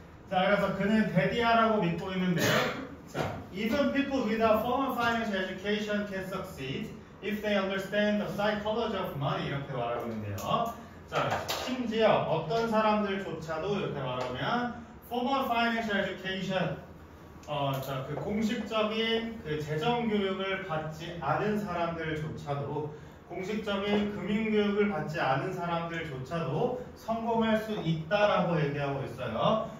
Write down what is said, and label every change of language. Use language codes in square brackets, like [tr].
[ko] 자, 그래서 그는 대디아라고 믿고 있는데요. [en] 자, even people with a formal financial education can succeed if they understand the psychology of money. [ko] 이렇게 말하고 있는데요. 자, 심지어 어떤 사람들조차도 이렇게 말하면 [en] formal financial education, [ko] 자, 그 공식적인 그 재정 교육을 받지 않은 사람들조차도 공식적인 금융 교육을 받지 않은 사람들조차도 성공할 수 있다라고 얘기하고 있어요.